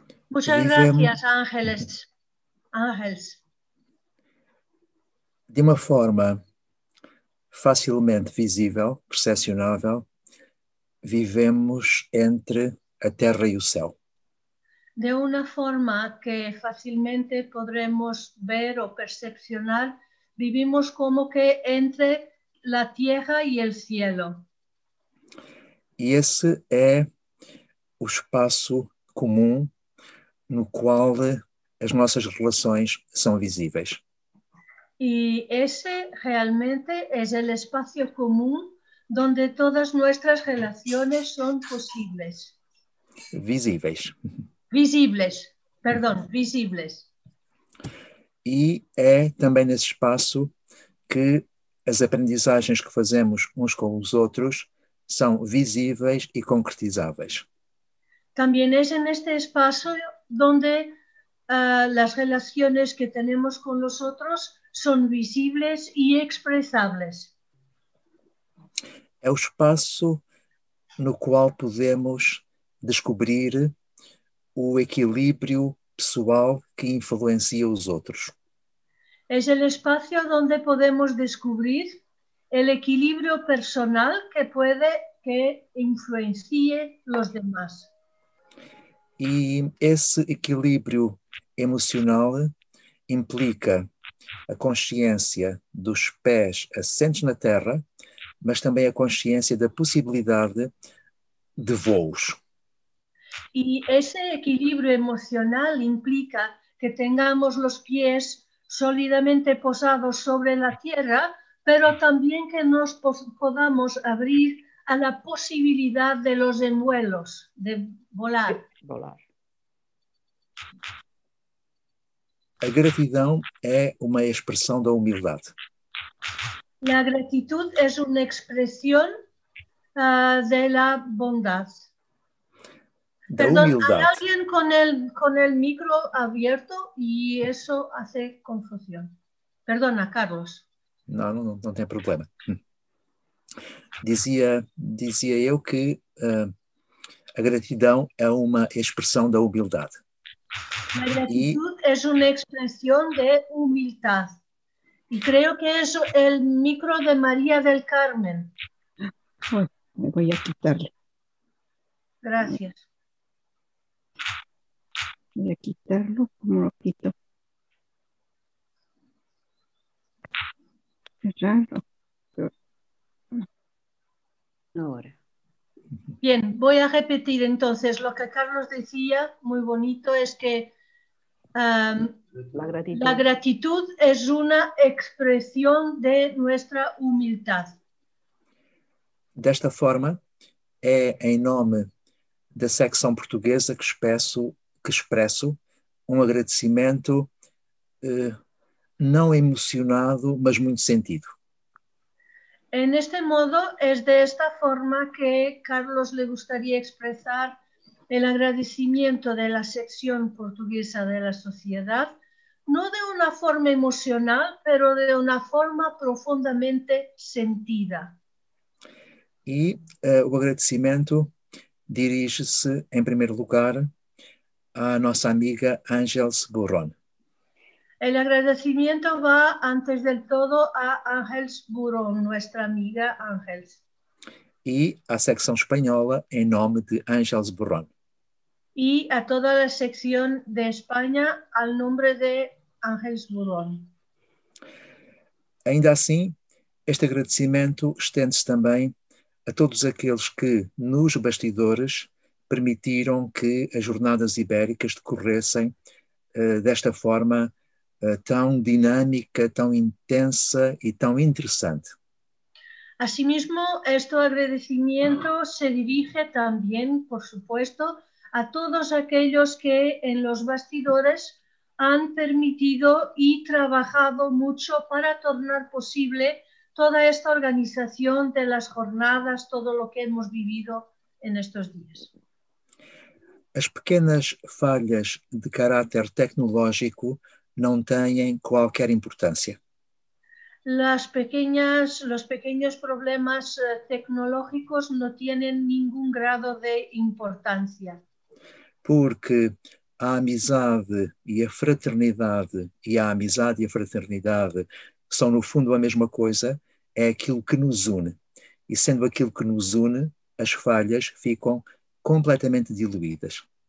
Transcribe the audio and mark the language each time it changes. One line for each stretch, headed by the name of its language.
Spanish: Muchas
Portuguese: Vivemos
Spanish: gracias, Ángeles. Ángeles.
Portuguese: de uma forma facilmente visível, percepcionável, vivemos entre a terra e o céu.
Spanish: De una forma que fácilmente podremos ver o percepcionar, vivimos como que entre la tierra y el cielo.
Portuguese: E esse é o espaço comum no qual as nossas relações são visíveis.
Spanish: Y ese realmente es el espacio común donde todas nuestras relaciones son posibles.
Portuguese: Visíveis.
Spanish: Visibles, perdón, visibles.
Portuguese: E é também nesse espaço que as aprendizagens que fazemos uns com os outros são visíveis e concretizáveis.
Spanish: También es en este espacio donde las relaciones que tenemos con los otros son visibles y expresables.
Portuguese: É o espaço no qual podemos descobrir o equilíbrio pessoal que influencia os outros.
Spanish: Es el espacio donde podemos descubrir el equilibrio personal que puede que influencie los demás.
Portuguese: E esse equilíbrio emocional implica a consciência dos pés assentes na terra, mas também a consciência da possibilidade de voos.
Spanish: Y ese equilibrio emocional implica que tengamos los pies sólidamente posados sobre la tierra, pero también que nos podamos abrir a la posibilidad de los envuelos, de volar. Volar.
Portuguese: A gratidão é uma expressão da humildade.
Spanish: La gratitud es una expresión, de la bondad.
Portuguese: Da
Spanish: Perdón,
Portuguese: humildade.
Spanish: ¿hay alguien con el micro abierto? Y eso hace confusión. Perdona, Carlos.
Portuguese: Não, não tem problema. Dizia eu que a gratidão é uma expressão da humildade.
Spanish: La gratitud
Portuguese: E
Spanish: es una expresión de humildad. Y creo que es el micro de María del Carmen. me voy a quitarle. Gracias. Voy a quitarlo, como lo quito. Cerrarlo. Ahora. Bien, voy a repetir entonces lo que Carlos decía, muy bonito, es que La la gratitud. gratitud es una expresión de nuestra humildad.
Portuguese: Desta forma, é em nome da secção portuguesa que expresso um agradecimento não emocionado, mas muito sentido.
Spanish: En este modo, es de esta forma que Carlos le gustaría expresar el agradecimiento de la sección portuguesa de la sociedad, no de una forma emocional, pero de una forma profundamente sentida.
Portuguese: E o agradecimento dirige-se, em primeiro lugar, à nossa amiga Ángeles Burrón.
Spanish: El agradecimiento va antes del todo a Ángeles Burrón, nuestra amiga Ángeles.
Portuguese: E à secção espanhola, em nome de Ángeles Burrón.
Spanish: Y a toda la sección de España, al nombre de Ángeles Burrón.
Portuguese: Ainda assim, este agradecimento estende-se também a todos aqueles que, nos bastidores, permitiram que as jornadas ibéricas decorressem desta forma tão dinâmica, tão intensa e tão interessante.
Spanish: Asimismo, este agradecimiento se dirige también, por supuesto, a todos aquellos que en los bastidores han permitido y trabajado mucho para tornar posible toda esta organización de las jornadas, todo lo que hemos vivido en estos días.
Portuguese: As pequenas falhas de caráter tecnológico não têm qualquer importância.
Spanish: Los pequeños problemas tecnológicos no tienen ningún grado de importancia.
Portuguese: Porque a amizade e a fraternidade, e a amizade e a fraternidade são no fundo a mesma coisa, é aquilo que nos une. E sendo aquilo que nos une, as falhas ficam completamente diluídas.